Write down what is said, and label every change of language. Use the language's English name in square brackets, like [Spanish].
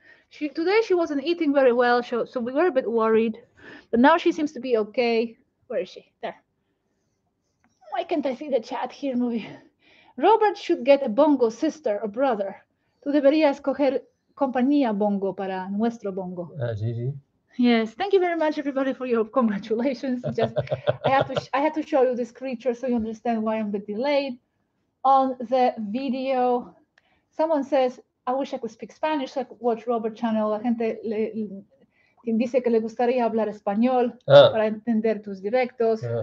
[English] Today she wasn't eating very well, so we were a bit worried. But now she seems to be okay. Where is she? There. Why can't I see the chat here, movie? Robert should get a Bongo sister or brother. [Spanish] Tú deberías coger compañía Bongo para nuestro Bongo. Sí. [English] Yes, thank you very much, everybody, for your congratulations. Just I have to show you this creature so you understand why I'm a bit delayed on the video. Someone says, I wish I could speak Spanish, so I could watch Robert channel. [Spanish] La gente dice que le gustaría hablar español para entender tus directos.